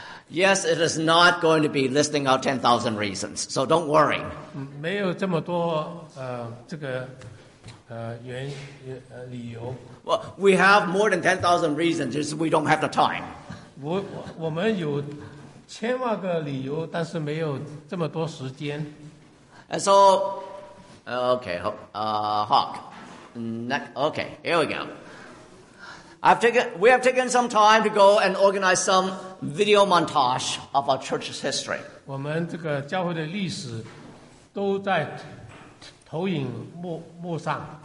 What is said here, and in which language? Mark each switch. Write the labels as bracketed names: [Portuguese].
[English] Yes, it is not going to be listing out 10,000 reasons, so don't worry. [Chinese] 没有这么多这个原理由。 [English] Well, we have more than 10,000 reasons, just we don't have the time. [Chinese] 我们有千万个理由，但是没有这么多时间。 [English] And so, okay, Hawk, okay, here we go. We have taken some time to go and organize some video montage of our church's history. [Chinese] 我们这个教会的历史都在投影幕上。